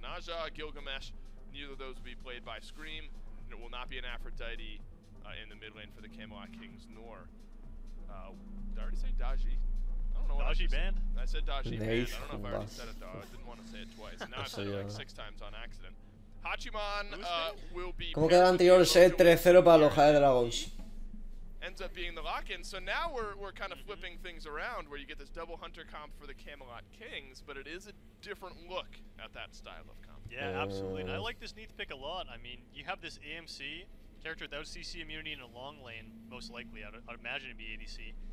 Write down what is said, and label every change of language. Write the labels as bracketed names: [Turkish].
[English] Naja, Gilgamesh, neither of those will be played by Scream. And it will not be an Aphrodite in the mid lane for the Camelot Kings, nor did I already say Daji Dodgy banned? I said dodgy banned. I don't know if I already said it though. I didn't want to say it twice. Now I've said it like six times on accident. Hachiman will be. [Spanish] ¿Cómo queda el anterior set 3-0 para los Jade Dragons? [English] Ends up being the lock-in, so now we're kind of flipping things around where you get this double hunter comp for the Camelot Kings, but it is a different look at that style of comp. Yeah, absolutely. And I like this Neath pick a lot. I mean, you have this AMC character without CC immunity in a long lane, most likely, I'd imagine it'd be ADC.